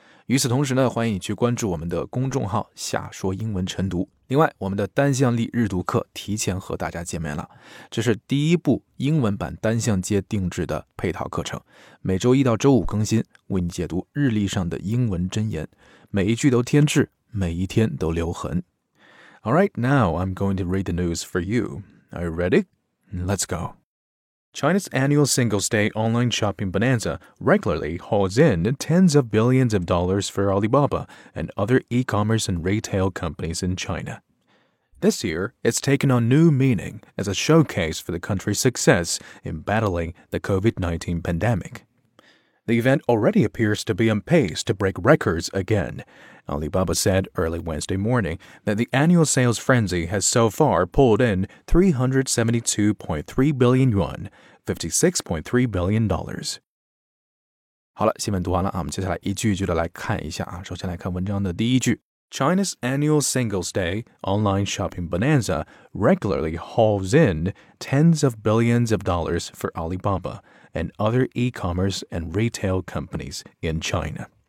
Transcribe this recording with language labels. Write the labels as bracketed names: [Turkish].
[Chinese] 与此同时呢，欢迎你去关注我们的公众号夏说英文晨读。另外我们的单向力日读课提前和大家见面了，这是第一部英文版单向街定制的配套课程，每周一到周五更新，为你解读日历上的英文箴言，每一句都添置，每一天都留痕。 [English] Alright, now I'm going to read the news for youAre you ready? Let's go. China's annual Singles' Day online shopping bonanza regularly hauls in tens of billions of dollars for Alibaba and other e-commerce and retail companies in China. This year, it's taken on new meaning as a showcase for the country's success in battling the COVID-19 pandemic. The event already appears to be on pace to break records again. Alibaba said early Wednesday morning that the annual sales frenzy has so far pulled in 372.3 billion yuan, $56.3 billion. [Chinese] 好了，新闻读完了，我们接下来一句一句的来看一下。首先来看文章的第一句。 [English] China's annual Singles' Day online shopping bonanza regularly hauls in tens of billions of dollars for Alibaba and other e-commerce and retail companies in China.